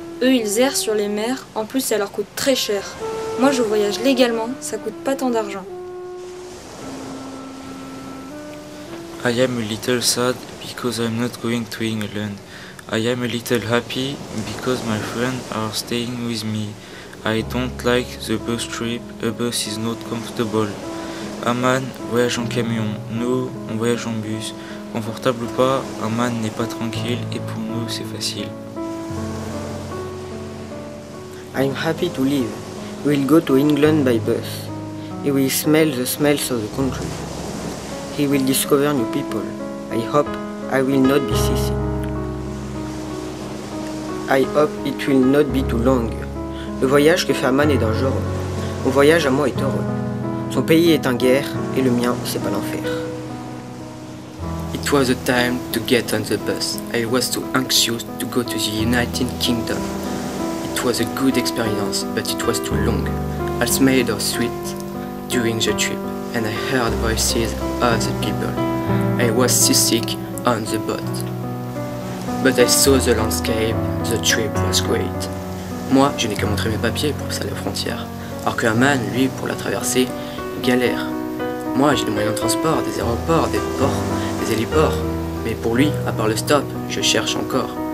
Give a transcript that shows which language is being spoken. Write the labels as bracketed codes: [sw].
[fr] Eux, ils errent sur les mers, en plus ça leur coûte très cher. Moi, je voyage légalement, ça coûte pas tant d'argent. [en] I am a little sad because I'm not going to England. I am a little happy because my friends are staying with me. I don't like the bus trip. A bus is not comfortable. [fr] Aman voyage en camion. Nous, on voyage en bus. Confortable ou pas, Aman n'est pas tranquille et pour nous, c'est facile. [en] I'm happy to leave. We'll go to England by bus. He will smell the smells of the country. He will discover new people. I hope I will not be seasick. I hope it will not be too long. [fr] Le voyage que fait Aman est dangereux. Mon voyage à moi est heureux. Son pays est en guerre et le mien, c'est pas l'enfer. [en] It was the time to get on the bus. I was too anxious to go to the United Kingdom. It was a good experience, but it was too long. I smelled of sweat during the trip and I heard voices of the people. I was seasick on the boat. But I saw the landscape, the trip was great. [fr] Moi, je n'ai qu'à montrer mes papiers pour passer la frontière. Alors que Aman, lui, pour la traverser, galère. Moi, j'ai des moyens de transport, des aéroports, des ports, des héliports. Mais pour lui, à part le stop, je cherche encore.